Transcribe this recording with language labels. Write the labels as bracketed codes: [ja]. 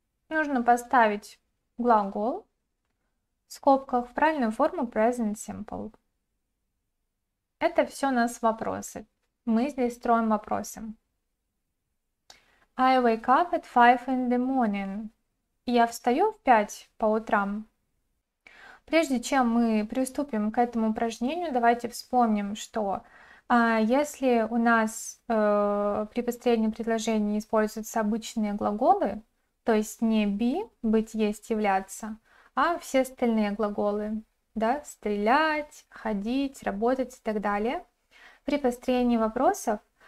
[ru] Нужно поставить глагол в скобках в правильную форму Present Simple. Это все у нас вопросы. Мы здесь строим вопросы. [en] I wake up at 5 in the morning. [ru] Я встаю в 5 по утрам. Прежде чем мы приступим к этому упражнению, давайте вспомним, что если у нас при последнем предложении используются обычные глаголы, то есть не be, быть, есть, являться, а все остальные глаголы, да, стрелять, ходить, работать и так далее, при построении вопросов